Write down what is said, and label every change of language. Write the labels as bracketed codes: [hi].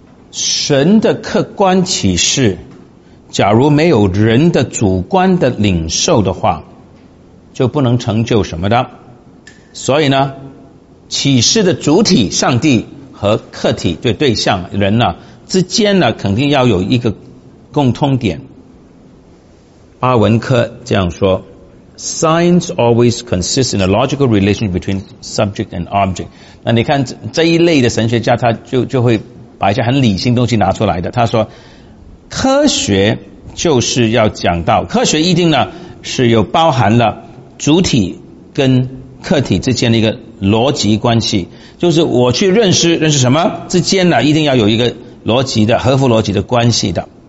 [zh] 神的客观启示，假如没有人的主观的领受的话，就不能成就什么的。所以呢，启示的主体上帝和客体对对象人呢之间呢，肯定要有一个共通点。巴文科这样说， [en] Science always consists in a logical relation between subject and object。 [zh] 那你看这一类的神学家，他就会把一些很理性东西拿出来的。他说科学就是要讲到，科学一定呢是有包含了主体跟客体之间的一个逻辑关系，就是我去认识什么之间呢，一定要有一个逻辑的合乎逻辑的关系的。